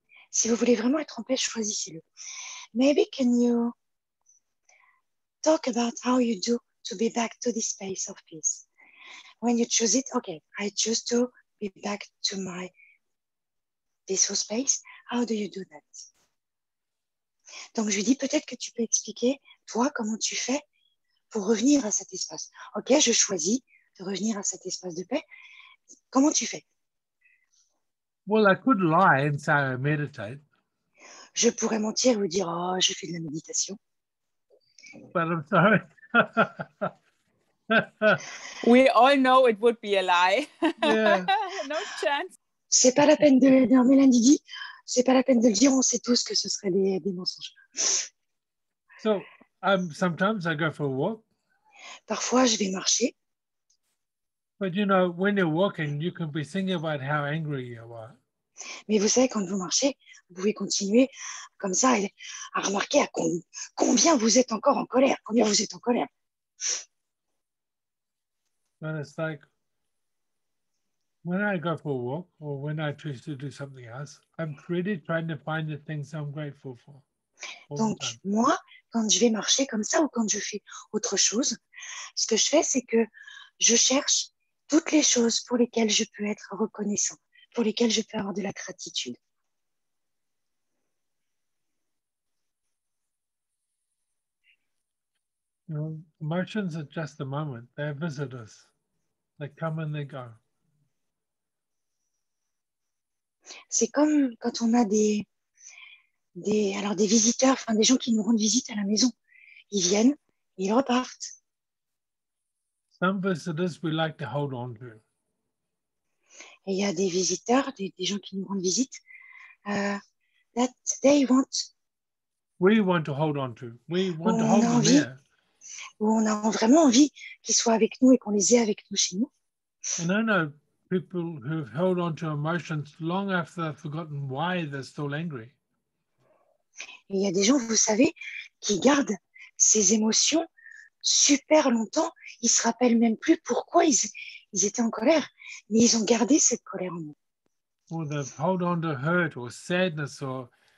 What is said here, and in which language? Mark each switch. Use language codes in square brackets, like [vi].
[fr] Si vous voulez vraiment être en paix, choisissez-le. [en] Maybe can you talk about how you do to be back to this space of peace? When you choose it, okay, I choose to be back to my peaceful space. How do you do that? [fr] Donc je lui dis, peut-être que tu peux expliquer, toi, comment tu fais pour revenir à cet espace. Ok, je choisis de revenir à cet espace de paix. Comment tu fais? [en] Well, I could lie and say I meditate. [fr] Je pourrais mentir ou dire, oh, je fais de la méditation. [en] But I'm sorry. We all know it would be a lie. Yeah. No chance. [fr] C'est pas la peine de Mélanie dit, c'est pas la peine de le dire, on sait tous que ce serait des mensonges. [en] So, sometimes I go for a walk. [fr] Parfois, je vais marcher. [en] But you know, when you're walking, you can be thinking about how angry you are. [fr] Mais vous savez, quand vous marchez, vous pouvez continuer comme ça à remarquer à combien vous êtes encore en colère, combien vous êtes en colère. [en] But it's like when I go for a walk or when I choose to do something else, I'm really trying to find the things I'm grateful for. [fr] Donc moi, quand je vais marcher comme ça ou quand je fais autre chose, ce que je fais, c'est que je cherche toutes les choses pour lesquelles je peux être reconnaissant, pour lesquelles je peux avoir de la gratitude. [en] You know, emotions are just a moment. They're visitors. They come and they go. [fr] C'est comme quand on a des visiteurs, enfin des gens qui nous rendent visite à la maison. Ils viennent, ils repartent. [en] Some visitors we like to hold on to. [fr] Et il y a des visiteurs, des gens qui nous rendent visite, [en] that they want. We want to hold on to. We want to hold on to. [fr] Où on a vraiment envie qu'ils soient avec nous et qu'on les ait avec nous chez nous. [en] And I know people who've held on to emotions long after they've forgotten why they're still angry. [fr] Il y a des gens, vous savez, qui gardent ces émotions super longtemps. Ils ne se rappellent même plus pourquoi ils étaient en colère, mais ils ont gardé cette colère en eux. [en] Or they've held on to hurt or sadness or.